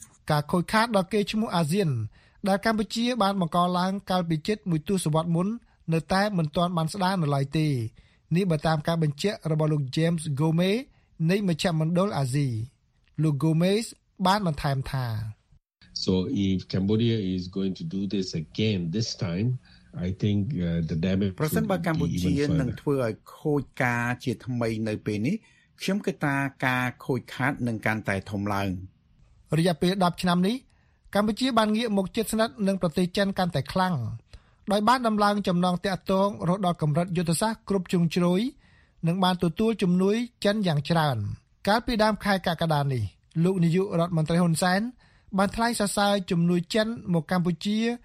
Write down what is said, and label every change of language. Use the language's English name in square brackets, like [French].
[Khmer] ការខូចខាតដល់គេឈ្មោះអាស៊ានដែលកម្ពុជាបានបង្កឡើងកាលពីជិតមួយទសវត្សរ៍មុននៅតែមិនទាន់បានស្ដារនៅឡើយទេនេះបើតាមការបញ្ជាក់របស់លោក James Gomez នៃមជ្ឈមណ្ឌលអាស៊ីលោក Gomez បានបន្ថែមថា [English] So if Cambodia is going to do this again this timeI think the damage [Khmer] ប្រសិនបើកម្ពុជានឹងធ្វើឲ្យខូចការជាថ្មីនៅពេលនេះខ្ញុំគិតថាការខូចខាតនឹងកាន់តែធំឡើង រយៈពេល10ឆ្នាំនេះកម្ពុជាបានងាកមកជិតស្និទ្ធនឹងប្រទេសចិនកាន់តែខ្លាំងដោយបានដំឡើងចំណងទំនាក់ទំនងរហូតដល់កម្រិតយុទ្ធសាស្ត្រគ្រប់ជ្រុងជ្រោយនិងបានទទួលជំនួយចិនយ៉ាងច្រើនកាលពីដើមខែកក្កដានេះលោកនាយករដ្ឋមន្ត្រីហ៊ុនសែនបានថ្លែងសរសើរជំនួយចិនមកកម្ពុជា